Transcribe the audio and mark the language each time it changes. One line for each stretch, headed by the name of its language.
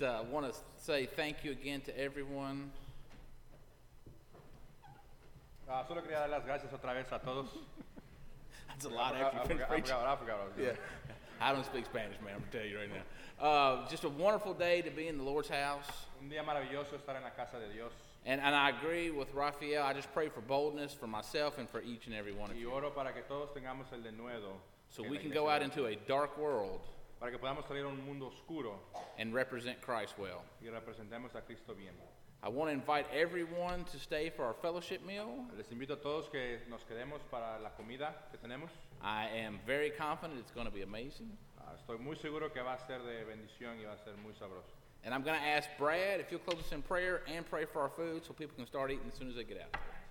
English: Want to say thank you again to everyone.
Spanish: Solo quería dar las gracias otra vez a todos.
English: That's a lot after you finish preaching. I forgot what I was doing. Yeah. I don't speak Spanish, man, I'm going to tell you right now. Just a wonderful day to be in the Lord's house.
Spanish: Un día maravilloso estar en la casa de Dios.
English: And I agree with Rafael. I just pray for boldness for myself and for each and every one of you.
Spanish: Y oro para que todos tengamos el denuedo.
English: So we can go out into a dark world.
Spanish: Para que podamos salir a un mundo oscuro
English: and represent Christ well.
Spanish: Y representemos a Cristo bien.
English: I want to invite everyone to stay for our fellowship meal.
Spanish: Les invito a todos que nos quedemos para la comida que tenemos.
English: I am very confident it's going to be amazing.
Spanish: Estoy muy seguro que va a ser de bendición y va a ser muy sabroso.
English: And I'm going to ask Brad if you'll close us in prayer and pray for our food so people can start eating as soon as they get out.